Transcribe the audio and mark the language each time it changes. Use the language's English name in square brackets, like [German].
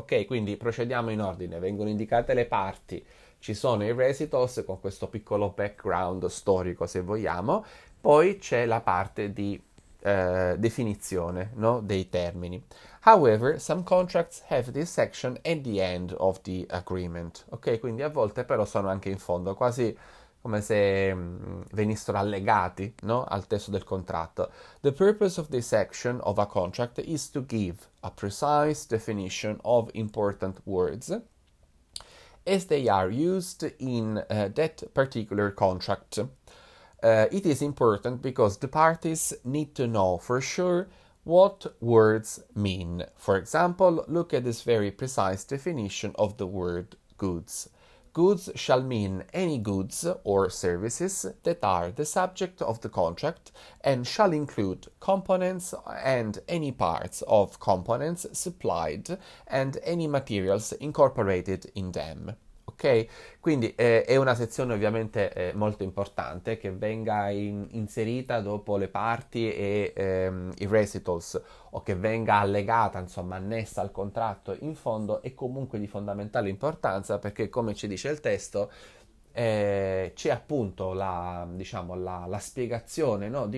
[Italian] Ok, quindi procediamo in ordine, vengono indicate le parti, ci sono i recitals con questo piccolo background storico se vogliamo, poi c'è la parte di definizione, no? Dei termini. [English] However, some contracts have this section at the end of the agreement. [Italian] Ok, quindi a volte però sono anche in fondo, quasi come se venissero allegati, no? Al testo del contratto. [English] The purpose of this section of a contract is to give a precise definition of important words as they are used in that particular contract. It is important because the parties need to know for sure what words mean. For example, look at this very precise definition of the word goods. Goods shall mean any goods or services that are the subject of the contract and shall include components and any parts of components supplied and any materials incorporated in them. [Italian] Ok, quindi è una sezione ovviamente molto importante che venga inserita dopo le parti e i recitals o che venga allegata, insomma, annessa al contratto in fondo è comunque di fondamentale importanza perché, come ci dice il testo, c'è appunto diciamo, la spiegazione, no?